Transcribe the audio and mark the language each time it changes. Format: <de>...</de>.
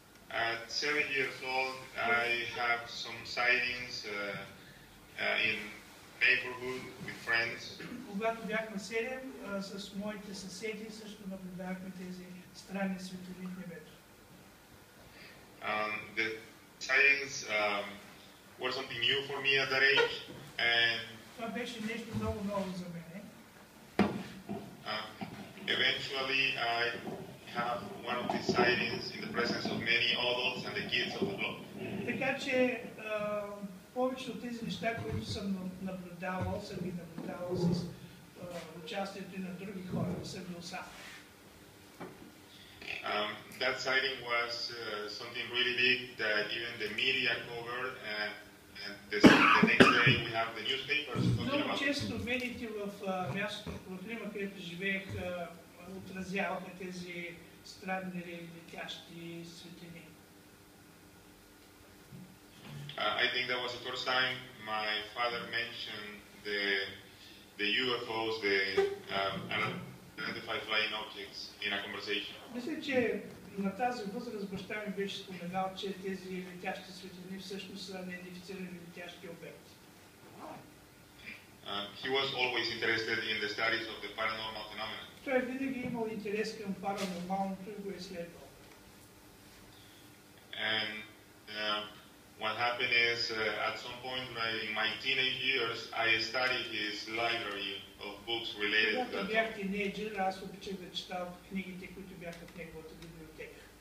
<en>At 7 years old, I have some sightings. In neighborhood with friends.</en> <bg>Когато бяхме 7, с моите съседи също наблюдавахме тези странни светлини в небето.</bg> <en>The sightings were something new for me at that age, and</en> <bg>това беше нещо много ново за мен.</bg> <en>Eventually, I have one of these sightings in the presence of many adults and the kids of the block.</en> <bg>Така че повечето от тези неща, които съм наблюдавал, съм ги наблюдавал с участието и на други хора, съм бил сам.</bg> <en>That sighting was something really big that even the media covered, and the next day we have the newspapers talking about.</en> <bg>Много често медиите в мястото, в Лима, където живеех, отразяваха тези странни летящи светлини.</bg> <en>I think that was the first time my father mentioned the UFOs, the unidentified flying objects in a conversation.</en> <bg>Мисля, че на тази възраст баща ми беше споменал, че тези летящи светлини всъщност са неидентифицирани летящи обекти.</bg> <en>He was always interested in the studies of the paranormal phenomena.</en> <bg>Той винаги имал интерес към паранормалното и го изследвал.</bg> <en>And what happened is, at some point in my teenage years, I studied his library of books related to that.</en> <bg>Бях тинейджър, аз обичах да чета книгите, които бяха в неговата библиотека.</bg>